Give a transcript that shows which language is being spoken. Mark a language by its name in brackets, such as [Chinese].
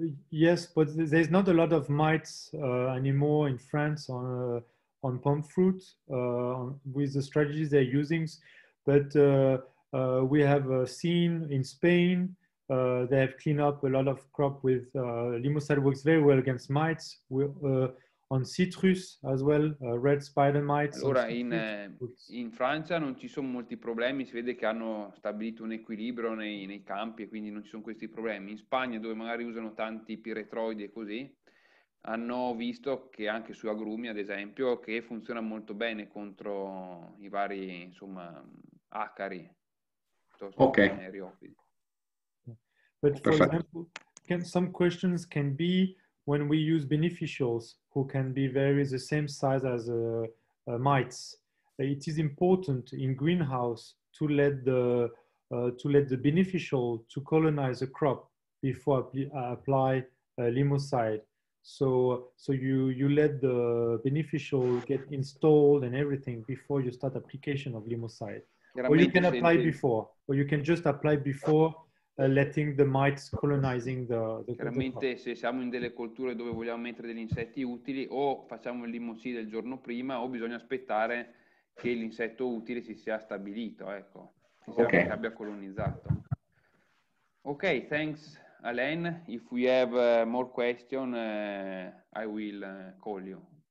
[English] Yes, but there's not a lot of mites anymore in France on palm fruit with the strategies they're using, but we have seen in Spain they have cleaned up a lot of crop with Limosal works very well against mites. We, on citrus as well, red spider mites. [Italian] Allora, in Francia non ci sono molti problemi, si vede che hanno stabilito un equilibrio nei campi e quindi non ci sono questi problemi. In Spagna, dove magari usano tanti piretroidi e così, hanno visto che anche su agrumi, ad esempio, che funziona molto bene contro i vari, insomma, acari. Ok. [English] But for example, some questions can be when we use beneficials who can be very the same size as mites. It is important in greenhouse to let the beneficial to colonize a crop before apply limosite. So you let the beneficial get installed and everything before you start application of limosite. Or you can apply before, or you can just apply before. Letting the mites colonizing the [Italian] chiaramente crop. Se siamo in delle colture dove vogliamo mettere degli insetti utili, o facciamo il limosite il giorno prima, o bisogna aspettare che l'insetto utile si sia stabilito, ecco, [English] okay. [Italian] Che abbia colonizzato. [English] Ok, thanks Alain, if we have more question I will call you.